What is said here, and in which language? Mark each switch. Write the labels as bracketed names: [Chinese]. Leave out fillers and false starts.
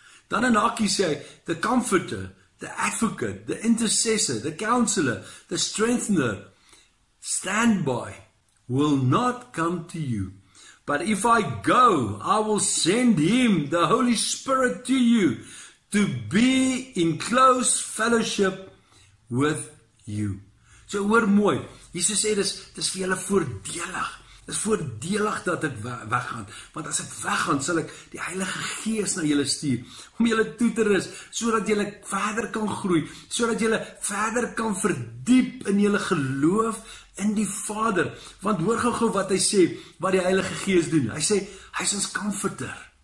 [Afrikaans] Dan in hakkie sê hy, [English] the comforter, the advocate, the intercessor, the counselor, the strengthener, stand by. Will not come to you. But if I go, I will send him, the Holy Spirit, to you, to be in close fellowship with you. [Afrikaans] So hoor mooi, Jesus sê, dis vir julle voordelig. Dis voordelig dat ek weggaan. Want as ek weggaan, sal ek die Heilige Gees na julle stuur, om julle toe te rus, so dat julle verder kan groei, so dat julle verder kan verdiep in julle geloof, in die Vader, want hoor gou wat hy sê, wat die Heilige Gees doen, hy sê, hy is ons comforter,